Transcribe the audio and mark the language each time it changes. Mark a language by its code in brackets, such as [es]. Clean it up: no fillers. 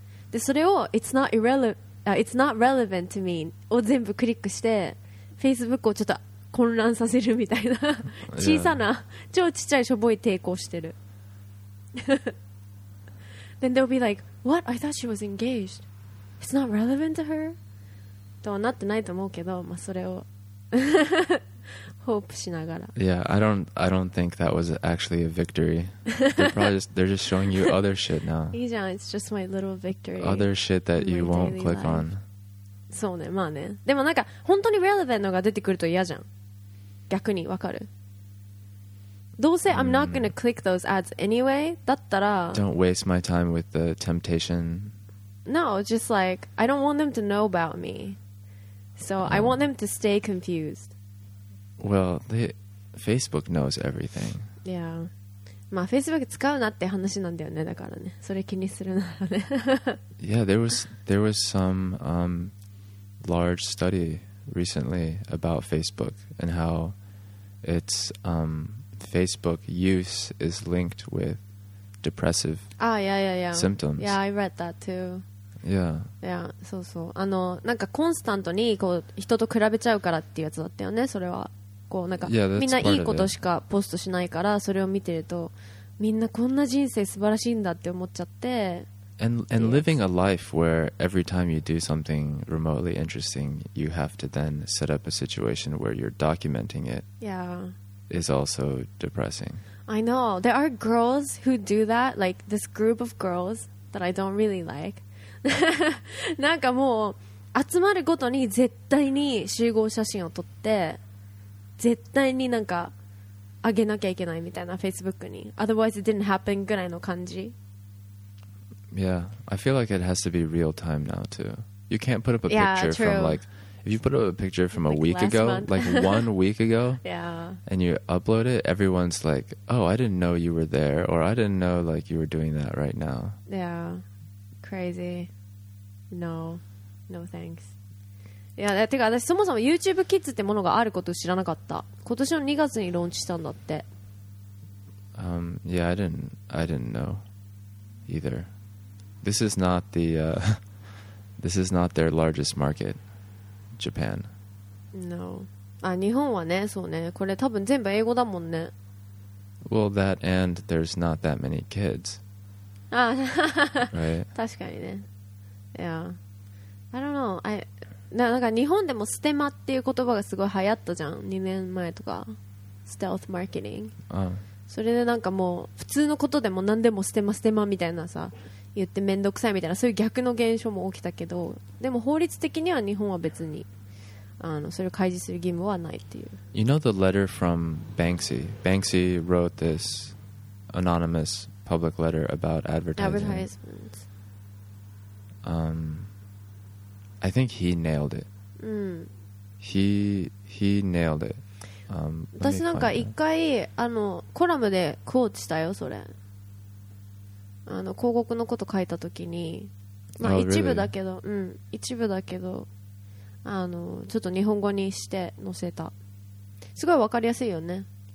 [ja] で、それを [en] It's not relevant to me [ja] を全部クリックして、Facebook をちょっと混乱させるみたいな小さな超ちっちゃいしょぼい抵抗してる。 [en] Then they'll be like, "What? I thought she was engaged. It's not relevant to her." [ja] とはなってないと思うけど、まあそれを hope しながら。 [en] Yeah, I don't think that was actually a victory. They're just showing you other shit now. [ja] いいじゃん。 [en] It's just my little victory. Other shit that you won't click on. [ja] そうね、まあね。でもなんか本当に relevant のが出てくると嫌じゃん。逆にわかる。どうせ [en] I'm not gonna click those ads anyway [ja] だったら。 [en] Don't waste my time with the temptation. No, just like I don't want them to know about me, so I want them to stay confused. Well, Facebook knows everything. Yeah, [ja] まあ Facebook 使うなって話なんだよね。だからね、それ気にするならね。 [en] Yeah, there was some large study recently about Facebook and how its Facebook use is linked with depressive symptoms. Yeah, I read that too. Yeah. Yeah, [ja] そうそう。なんかコンスタントにこう人と比べちゃうからっていうやつだったよね、それは。こうなんか、 [en] yeah, that's [ja] みんないいことしかポストしないから、それを見てるとみんなこんな人生素晴らしいんだって思っちゃって。 [en] And living a life where every time you do something remotely interesting, you have to then set up a situation where you're documenting it. Yeah. Is also depressing. I know. There are girls who do that, like this group of girls that I don't really like. [ja] なんかもう集まるごとに絶対に集合写真を撮って、絶対になんか上げなきゃいけないみたいな Facebook に。 [en] Otherwise it didn't happen [ja] ぐらいの感じ。 [en] Yeah, I feel like it has to be real time now too. You can't put up a picture from like, if you put up a picture from like a week ago, like 1 week ago, and you upload it, everyone's like, oh, I didn't know you were there, or I didn't know like you were doing that right now. Yeah, crazy. No, no thanks. Yeah, [ja] てか私そもそも YouTube Kids ってものがあること知らなかった。今年の2月にローンチしたんだって。 [en] Yeah, I didn't know either. This is not the, this is not their largest market, Japan. No. [ja] あ、日本はね、そうね。これ多分全部英語だもんね。 [en] Well, that and there's not that many kids. [ja] あ、 [en] right? [ja] 確かにね。 [en] Yeah. I don't know. [ja] なんか日本でもステマっていう言葉がすごい流行ったじゃん。 2年前とか。 [en] Stealth marketing. [ja] それでなんかもう、普通のことでも何でもステマみたいなさ。言ってめんどくさいみたいなそういう逆の現象も起きたけどでも法律的には日本は別にそれを開示する義務はないっていう [en] You know the letter from Banksy wrote this anonymous public letter about advertisements I think he nailed it、he nailed it [ja] 私なんか一回コラムでクォーチしたよそれ広告のこと書いたときに、まあ、一部だけど、 [en] oh, really? [ja] うん、一部だけどちょっと日本語にして載せたすごい分かりやすいよね、